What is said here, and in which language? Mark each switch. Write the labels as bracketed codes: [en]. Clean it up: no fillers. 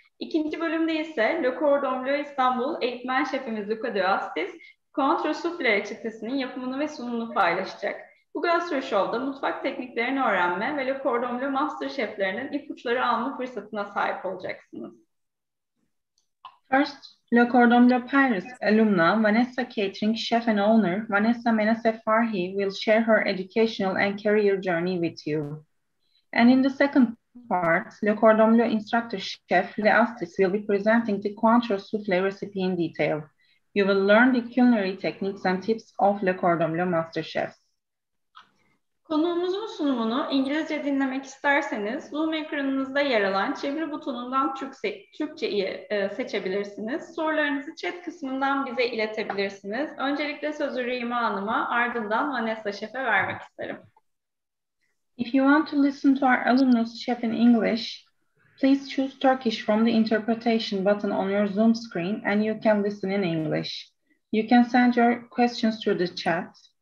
[tr] İkinci bölümde ise Le Cordon Bleu İstanbul eğitmen şefimiz Luca de Astis, Contre Souffle reçetesinin yapımını ve sunumunu paylaşacak. Bu Gastroshow'da mutfak tekniklerini öğrenme ve Le Cordon Bleu Master şeflerinin ipuçları alma fırsatına sahip olacaksınız. [en] First, Le Cordon Bleu Paris alumna Vanessa Catering chef and owner Vanessa Menase Farhi will share her educational and career journey with you. And in the second part, Le Cordon Bleu instructor chef Le Astis will be presenting the Cointre Soufflé recipe in detail. You will learn the culinary techniques and tips of Le Cordon Bleu Master chefs. [tr] Konuğumuzun sunumunu İngilizce dinlemek isterseniz Zoom ekranınızda yer alan çeviri butonundan Türkçe'yi seçebilirsiniz. Sorularınızı chat kısmından bize iletebilirsiniz. Öncelikle sözü Rima Hanım'a, ardından Vanessa Şef'e vermek isterim. [en] If you want to listen to our alumnus chef in English, please choose Turkish from the interpretation button on your Zoom screen and you can listen in English. You can send your questions through the chat.